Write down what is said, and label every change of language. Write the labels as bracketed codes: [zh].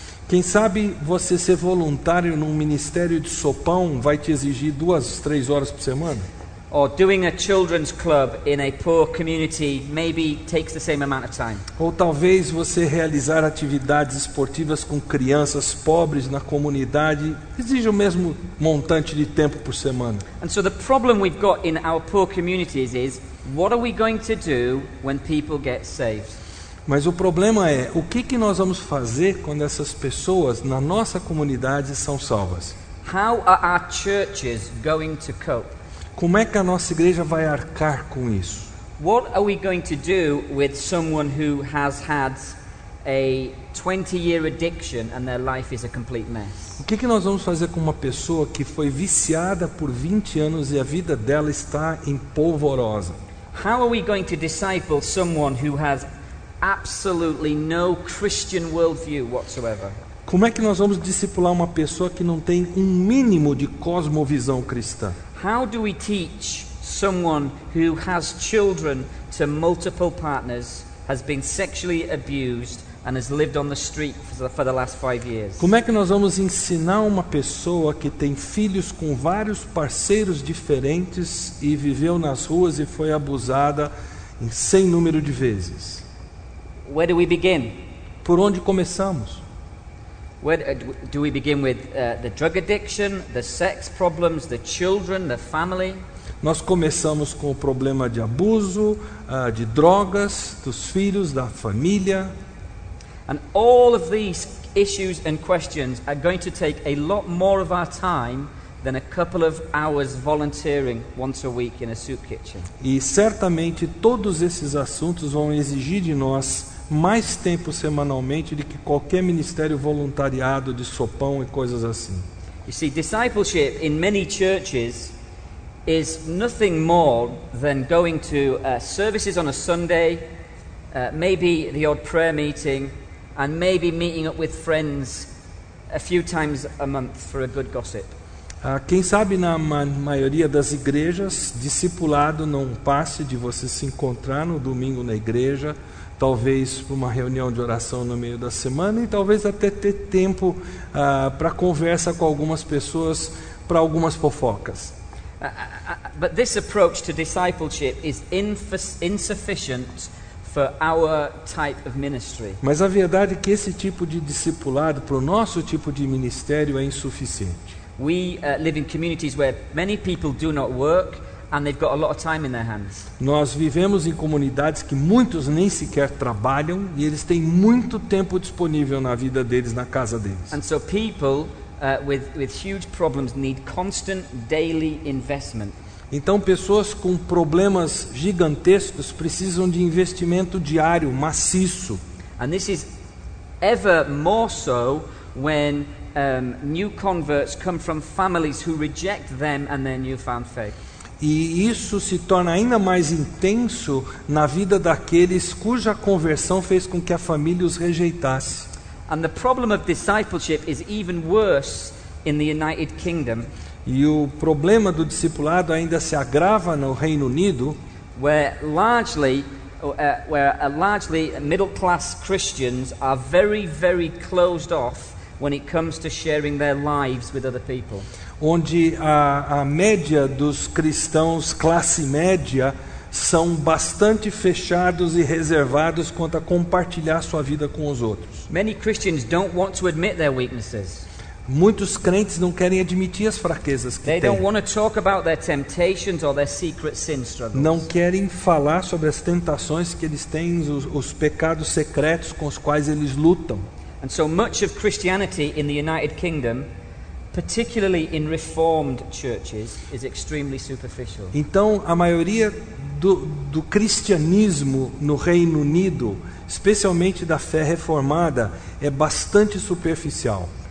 [pt] Quem sabe você ser voluntário num ministério de sopão vai te exigir 2-3 horas por semana? [en] Or doing a children's club in a poor community maybe takes the same amount of time. [pt] Ou talvez você realizar atividades esportivas com crianças pobres na comunidade exige o mesmo montante de tempo por semana. [en] And so the problem we've got in our poor communities is what are we going to do when people get saved? [pt] Mas o problema é, o que que nós vamos fazer quando essas pessoas na nossa comunidade são salvas? [en] How are our churches going to cope? [pt] Como é que a nossa igreja vai arcar com isso? [en] What are we going to do with someone who has had a 20-year addiction and their life is a complete mess? [pt] O que que nós vamos fazer com uma pessoa que foi viciada por 20 anos e a vida dela está em polvorosa? [en] How are we going to disciple someone who has absolutely no Christian worldview whatsoever? [pt] Como é que nós vamos discipular uma pessoa que não tem um mínimo de cosmovisão cristã? [en] How do we teach someone who has children to multiple partners, has been sexually abused and has lived on the street for the last 5 years? [pt] Como é que nós vamos ensinar uma pessoa que tem filhos com vários parceiros diferentes e viveu nas ruas e foi abusada em sem número de vezes? [en] Where do we begin? [pt] Por onde começamos? [en] Do we begin with the drug addiction, the sex problems, the children, the family? [pt] Nós começamos com o problema de abuso, de drogas, dos filhos, da família. [en] And all of these issues and questions are going to take a lot more of our time than a couple of hours volunteering once a week in a soup kitchen. [pt] E certamente todos esses assuntos vão exigir de nós mais tempo semanalmente do que qualquer ministério voluntariado de sopão e coisas assim. [en] You see, discipleship in many churches is nothing more than going to services on a Sunday, maybe the odd prayer meeting, and maybe meeting up with friends a few times a month for a good gossip. [pt] Quem sabe na maioria das igrejas, discipulado não passe de você se encontrar no domingo na igreja, talvez para uma reunião de oração no meio da semana e talvez até ter tempo para conversa com algumas pessoas para algumas fofocas. [en] But this approach to discipleship is insufficient for our type of ministry. [pt] Mas a verdade é que esse tipo de discipulado para o nosso tipo de ministério é insuficiente. [en] We live in communities where many people do not work. And they've got a lot of time in their hands. [pt] Nós vivemos em comunidades que muitos nem sequer trabalham e eles têm muito tempo disponível na vida deles, na casa deles. [en] And so people with huge problems need constant daily investment. [pt] Então, pessoas com problemas gigantescos precisam de investimento diário, maciço. [en] And this is ever more so when new converts come from families who reject them and their newfound faith. [pt] E isso se torna ainda mais intenso na vida daqueles cuja conversão fez com que a família os rejeitasse. [en] And the problem of discipleship is even worse in the United Kingdom. [pt] E o problema do discipulado ainda se agrava no Reino Unido, [en] where largely middle-class Christians are very, very closed off when it comes to sharing their lives with other people. [pt] Onde a média dos cristãos classe média são bastante fechados e reservados quanto a compartilhar sua vida com os outros. [en] Many Christians don't want to admit their weaknesses. [pt] Muitos crentes não querem admitir as fraquezas que têm. [en] They don't want to talk about their temptations or their secret sin struggles. [pt] Não querem falar sobre as tentações que eles têm, os pecados secretos com os quais eles lutam. [en] And so much of Christianity in the United Kingdom, particularly in reformed churches, is extremely superficial. [pt] Então, a maioria do cristianismo no Reino Unido, especialmente da fé reformada, é bastante superficial.